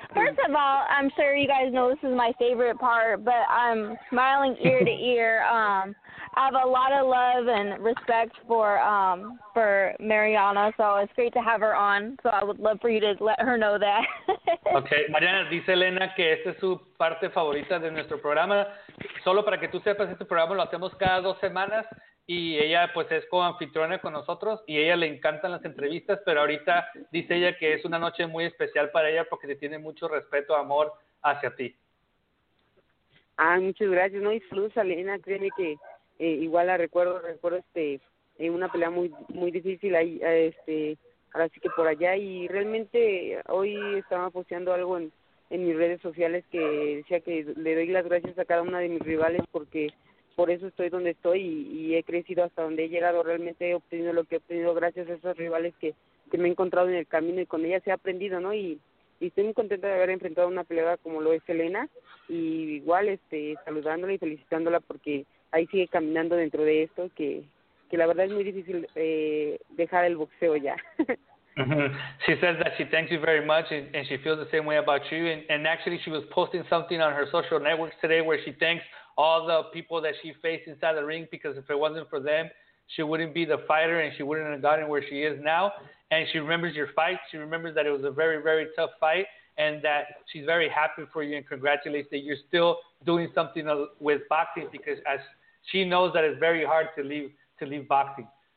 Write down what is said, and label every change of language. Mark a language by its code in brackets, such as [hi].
[en] First of all, I'm sure you guys know this is my favorite part, but I'm smiling ear to ear. I have a lot of love and respect for Mariana, so it's great to have her on. So I would love for you to let her know that. [es] Okay. Mariana, dice Elena que esta es su parte favorita de nuestro programa. Solo para que tú sepas, este programa lo hacemos cada 2 semanas. Y ella, pues, es co-anfitriona con nosotros y a ella le encantan las entrevistas, pero ahorita dice ella que es una noche muy especial para ella porque te tiene mucho respeto, amor hacia ti. Ah, muchas gracias, ¿no? Y saludos a Elena, créeme que igual la recuerdo una pelea muy muy difícil ahí, ahora sí que por allá. Y realmente hoy estaba posteando algo en mis redes sociales que decía que le doy las gracias a cada una de mis rivales porque por eso estoy donde estoy y he crecido hasta donde he llegado. Realmente he obtenido lo que he obtenido gracias a esos rivales que me he encontrado en el camino y con ellas he aprendido, ¿no? Y estoy muy contenta de haber enfrentado una pelea como lo es Elena y igual saludándola y felicitándola porque ahí sigue caminando dentro de esto que la verdad es muy difícil dejar el boxeo ya. [en] She says that she thanks you very much and she feels the same way about you and actually she was posting something on her social networks today where she thanks all the people that she faced inside the ring, because if it wasn't for them, she wouldn't be the fighter and she wouldn't have gotten where she is now. And she remembers your fight. She remembers that it was a very, very tough fight and that she's very happy for you and congratulates that you're still doing something with boxing, because as she knows that it's very hard to leave boxing.